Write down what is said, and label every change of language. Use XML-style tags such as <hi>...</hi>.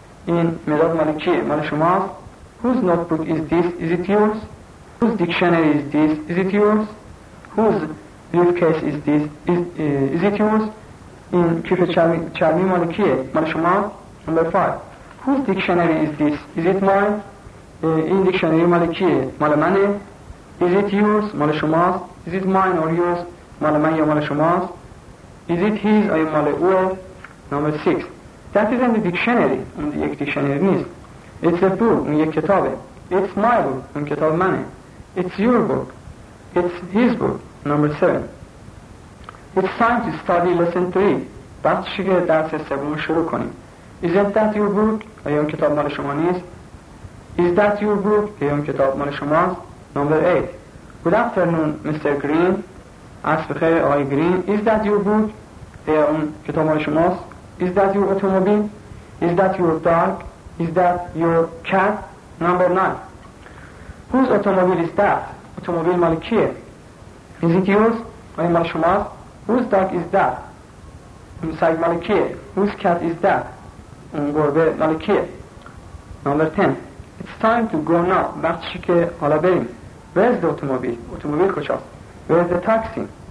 <fa>این مداد مال کیه؟ مال شماست.</fa> <en>Whose notebook is this? Is it yours? Whose dictionary is this? Is it yours? Whose briefcase is this? Is it yours?</en> <fa>این کیف چرمی مال کیه؟ مال شما.</fa> <en>Number 5. Whose dictionary is this? Is it mine?</en> <fa>این دیکشنری مال کیه؟ مال منه.</fa> <en>Is it yours?</en> <fa>مال شماست.</fa> <en>Is it mine or yours?</en> <fa>مال من یا مال شماست.</fa> <en>Is it his?</en> <fa>آیا مال اوه؟</fa> <en>Number 6. That isn't a dictionary.</en> <fa>اون یک دیکشنری نیست.</fa> <en>It's a book.</en> <fa>اون یک کتابه.</fa> <en>It's my book.</en> <fa>اون کتاب منه.</fa> <en>It's your book. It's his book. Number 7. It's time to study lesson 3.</en> <fa>وقتشه که درس سوم شروع کنیم.</fa> <en>Isn't that your book?</en> <fa>آیا اون کتاب مال شما نیست؟</fa> <en>Is that your book?</en> <fa>آیا اون کتاب مال شماست؟</fa> <en>Number 8. Good afternoon, Mr. Green.</en> <fa>عصر بخیر آقای گرین.</fa> <en>Is that your book?</en> <fa>آیا اون کتاب مال شماست؟</fa> <en>Is that your automobile? Is that your dog? Is that your cat? Number 9. Whose automobile is that?</en> <fa>اتومبیل مال کیه؟</fa> <en>Is it yours?</en> <fa>آیا مال شماست؟</fa> <en>Whose dog is that?</en> <fa>اون سگ مال کیه؟</fa> <en>Whose cat is that?</en> <fa>اون گربه مال کیه؟</fa> <en>Number 10. It's time to go now.</en> <fa>وقتش که حالا بریم.</fa> <en>Where's the automobile?</en> <fa>اتومبیل کجاست؟</fa> <en>Where's the taxi?</en>